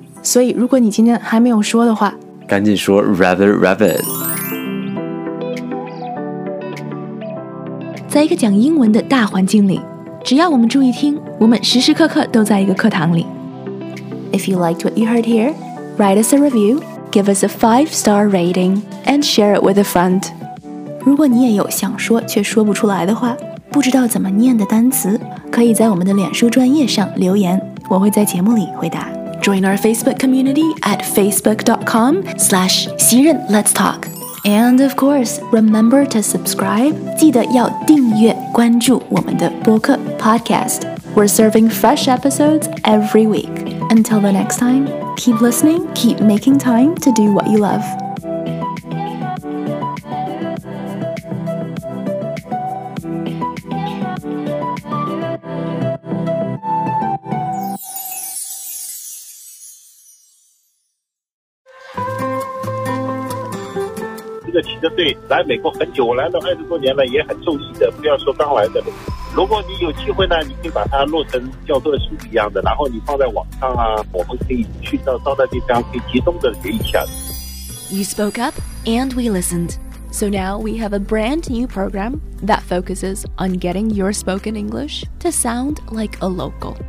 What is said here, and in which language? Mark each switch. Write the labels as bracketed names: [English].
[Chinese] 所以如果你今天还没有说的话赶紧说 rabbit, rabbit. 在一个讲英文的大环境里只要我们注意听我们时时刻刻都在一个课堂里 [English] If you liked what you heard here, write us a review, give us a 5-star rating, and share it with a friend. [Chinese] 如果你也有想说却说不出来的话不知道怎么念的单词可以在我们的脸书专页上留言我会在节目里回答 [English] Join our Facebook community at facebook.com/Let's Talk And of course, remember to subscribe [Chinese] 记得要订阅关注我们的播客 podcast [English] We're serving fresh episodes every week Until the next time, keep listening, keep making time to do what you love [Chinese] 骑车队来美国很久来了20多年了也很受益的不要说刚来的如果你有机会呢你可以把它落成教科书一样的然后你放在网上啊我们可以去到那地方可以集中的学一下 [English] You spoke up and we listened So now we have a brand new program that focuses on getting your spoken English to sound like a local